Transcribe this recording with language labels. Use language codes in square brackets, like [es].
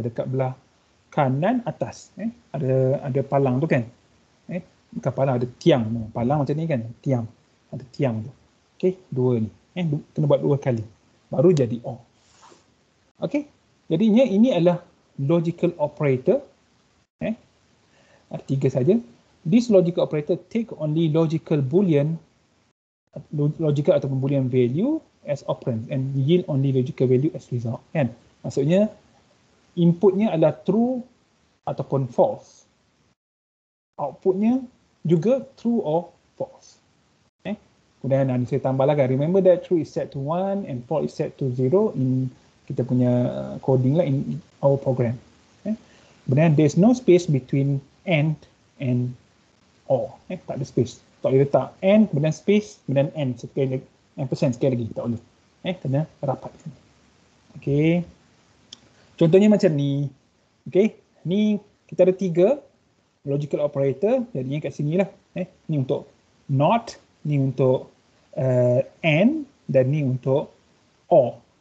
[ms] Dekat belah kanan atas. Ada palang tu kan? Bukan palang, ada tiang. Palang macam ni kan? Tiang. Ada tiang tu. Okay, dua ni. Kena buat dua kali. Baru jadi or. Okay. Jadinya ini adalah logical operator. Tiga saja. [en] This logical operator take only logical boolean, logical ataupun boolean value as operand and yield only logical value as result. [ms] Kan? Maksudnya, inputnya adalah true ataupun false. Outputnya juga true or false. Kemudian ni saya tambah lagi. [en] Remember that true is set to 1 and false is set to 0 in kita punya coding lah in our program. Kemudian there's no space between AND and OR. [ms] Tak ada space. Tak boleh letak AND, kemudian space, kemudian AND. Ampersand sekali lagi. Tak boleh. Kena rapat. Okay. Contohnya macam ni. Okay. Ni kita ada tiga logical operator. Jadi kat sini lah. Ni untuk NOT, ni untuk AND dan ni untuk OR.